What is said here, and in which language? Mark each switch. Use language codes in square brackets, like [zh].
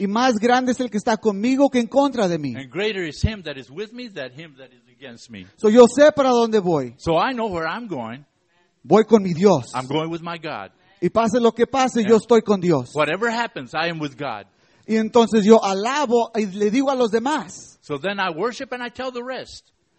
[es] Y más grande es el que está conmigo que en contra de mí. [en] And greater is him that is with me than him that is against me. [es] So yo sé para dónde voy. [en] So I know where I'm going. [es] Voy con mi Dios. [en] I'm going with my God. [es] Y pase lo que pase, yo estoy con Dios. [en] Whatever happens, I am with God. [es] Y entonces yo alabo y le digo a los demás. [en] So then I worship and I tell the rest.